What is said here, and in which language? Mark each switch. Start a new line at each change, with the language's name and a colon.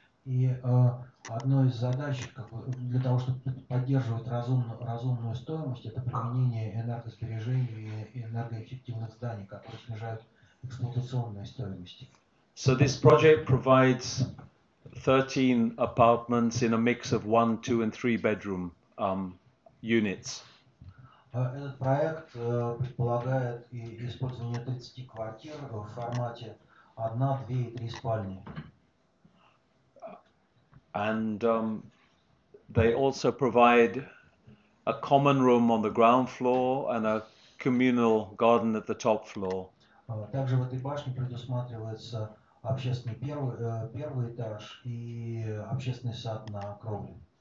Russian: И одной из задач, как бы, для того, чтобы поддерживать разумную стоимость, это применение энергосбережения и энергоэффективных зданий, которые снижают эксплуатационные стоимости.
English: So this project provides 13 apartments in a mix of 1, 2, and 3 bedroom units.
Russian: Этот проект предполагает использование 30 квартир в формате 1, 2 и 3 спальни.
English: And they also provide a common room on the ground floor and a communal garden at the top floor.
Russian: Также в этой башне предусматривается общественный первый этаж и общественный сад на кровле.